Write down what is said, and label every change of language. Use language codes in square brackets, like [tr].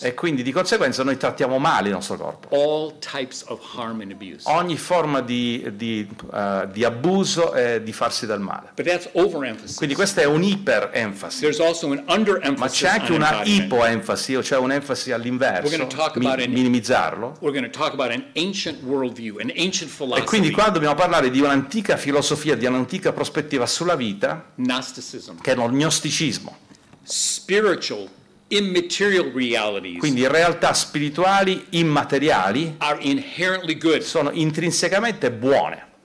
[it] E quindi di conseguenza noi trattiamo male il nostro corpo. [en] All types of harm and abuse. [it] Ogni forma di abuso e di farsi del male. [en] But that's overemphasis. [it] Quindi questa è un'iperenfasi. [en] There's also an underemphasis. [it] Ma c'è anche una ipoenfasi, cioè un'enfasi all'inverso. [en] We're going to talk about [it] minimizzarlo. [en] We're going to talk about an ancient worldview, an ancient philosophy. [it] E quindi qua dobbiamo parlare di un'antica filosofia, di un'antica prospettiva sulla vita. [en] Gnosticism. [it] Che è lo gnosticismo. [en] Spiritual immaterial realities. [it] Quindi realtà spirituali immateriali [en] are inherently good. [it] Sono intrinsecamente buone.